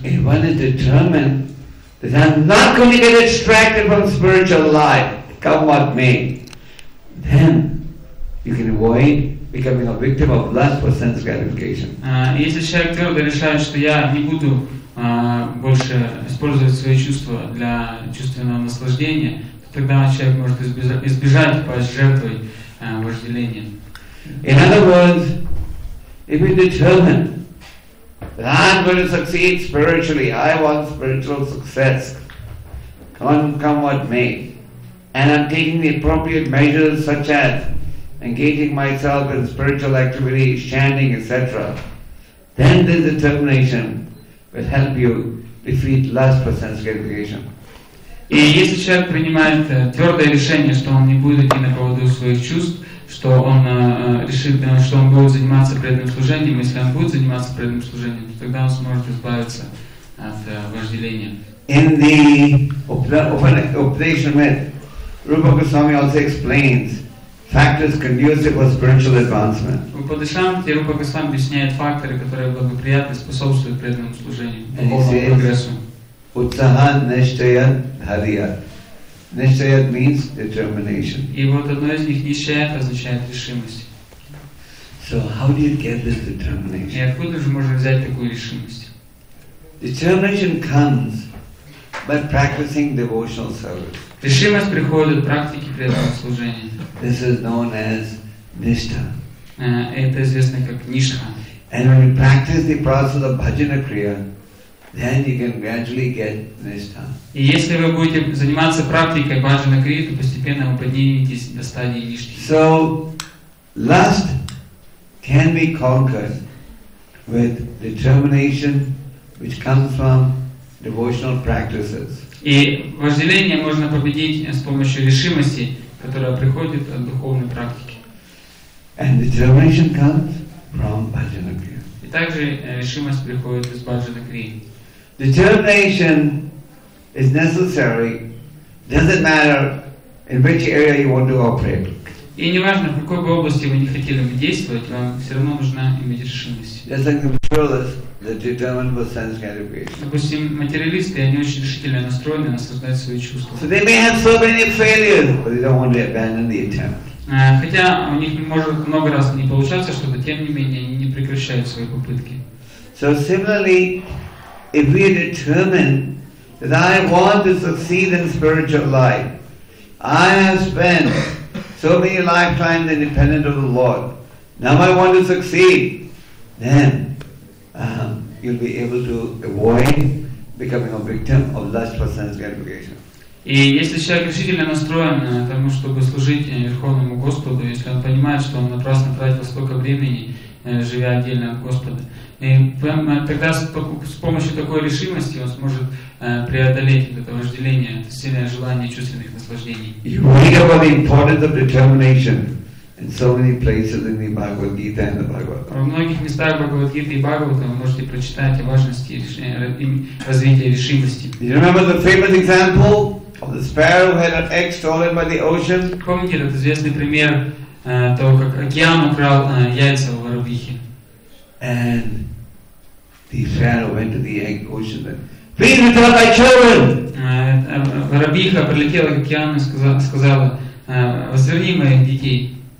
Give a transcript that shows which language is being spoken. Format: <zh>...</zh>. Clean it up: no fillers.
<en>If one is determined that I'm not going to get distracted from spiritual life, come what may, then you can avoid becoming a victim of lust for sense gratification.</en> <ru>Если человек твердо решает, что я не буду больше использовать свои чувства для чувственного наслаждения, то тогда человек может избежать пожертвовать вожделением.</ru> <en>In other words, if you determine that I'm going to succeed spiritually, I want spiritual success, come what may, and I'm taking the appropriate measures such as engaging myself in spiritual activities, chanting, etc., then this determination will help you defeat lust for sense gratification.</en> <ru>И если человек принимает твердое решение, что он не будет идти на поводу своих чувств, что он решит, что он будет заниматься преданным служением, если он будет заниматься преданным служением, то тогда он сможет избавиться от вожделения.</ru> <en>In the Upanishad, Rupa Goswami also explains factors conducive for spiritual advancement.</en> <ru>В Упанишаде Рупа Госвами объясняет факторы, которые благоприятно способствуют преданному служению, прогрессу.</ru> <sa>Utsaha nishchaya dhariya.</sa> <en>Nishchaya means determination.</en> <ru>И вот одно из них, nishchaya, означает решимость.</ru> <en>So how do you get this determination?</en> <ru>И откуда же можно взять такую решимость?</ru> <en>Determination comes by practicing devotional service.</en> <ru>Решимость приходит в практике преданного служения.</ru> <en>This is known as nishtha.</en> <ru>Это известно как нишха.</ru> <en>And when you practice the process of bhajana kriya, then you can gradually get nishtha.</en> <ru>И если вы будете заниматься практикой бхаджана крии, то постепенно вы подниметесь до стадии ништхи.</ru> <en>So lust can be conquered with determination, which comes from devotional practices.</en> <ru>И вожделение можно победить с помощью решимости, которая приходит от духовной практики.</ru> <en>And the determination comes from bhajana kriya.</en> <ru>И также решимость приходит из bhajana kriya.</ru> <en>Determination is necessary. Doesn't matter in which area you want to operate.</en> <ru>И не важно, в какой бы области вы не хотели бы действовать, вам все равно нужна иметь решимость.</ru> <en>Just like the materialist, the determined will sense gratification.</en> <ru>Допустим, материалисты, они очень решительно настроены создать свои чувства.</ru> <en>So they may have so many failures, but they don't want to abandon the attempt.</en> <ru>Хотя у них может много раз не получаться, чтобы тем не менее они не прекращают свои попытки.</ru> <en>So similarly, if we are determined that I want to succeed in spiritual life, I have spent so many lifetimes independent of the Lord. Now I want to succeed. Then you'll be able to avoid becoming a victim of lust for sense gratification.</en> <ru>И если человек решительно настроен к тому, чтобы служить Верховному Господу, если он понимает, что он напрасно тратил столько времени, живя отдельно от Господа, и тогда с помощью такой решимости он сможет преодолеть это вожделение, это сильное желание чувственных наслаждений.</ru> <en>You read about the importance of determination in so many places in the Bhagavad Gita and the Bhagavad Gita.</en> <ru>В многих местах Бхагавад Гиты и Бхагавата вы можете прочитать о важности развития решимости.</ru> <en>You remember the famous example of the sparrow who had an egg stolen by the ocean?</en> <ru>Помните этот известный пример того, как океан украл яйца у воробьихи?</ru> <en>And the sparrow went to the egg ocean and, "Please return my children!"</en> <ru>Воробьиха прилетела к океану и сказала, "Возверни моих детей."</ru>